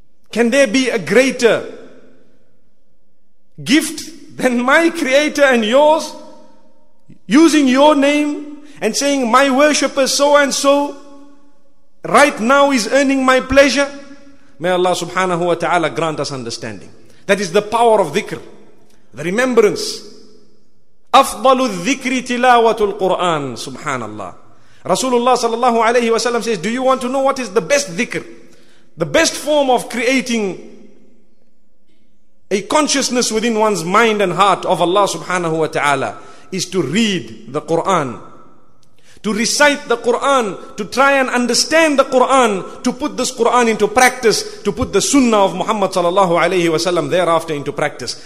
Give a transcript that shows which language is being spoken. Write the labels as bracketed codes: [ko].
[en] Can there be a greater gift than my Creator and yours? Using your name and saying, my worshipper so and so right now is earning my pleasure. May Allah subhanahu wa ta'ala grant us understanding. That is the power of dhikr, the remembrance. [ar] أفضل الذكر تلاوة القرآن. Subhanallah. [en] Rasulullah sallallahu alayhi wa sallam says, do you want to know what is the best dhikr? The best form of creating a consciousness within one's mind and heart of Allah subhanahu wa ta'ala is to read the Quran. To recite the Quran, to try and understand the Quran, to put this Quran into practice, to put the Sunnah of Muhammad sallallahu alayhi wa sallam thereafter into practice.